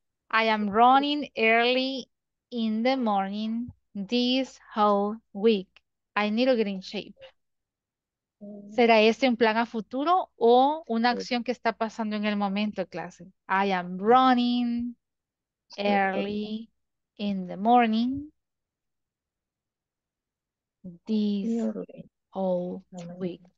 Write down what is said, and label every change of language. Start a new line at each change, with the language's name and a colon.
English: I am running early in the morning this whole week. I need to get in shape.
Spanish: ¿Será este un plan a futuro o una acción que está pasando en el momento, clase?
English: I am running early in the morning this whole week.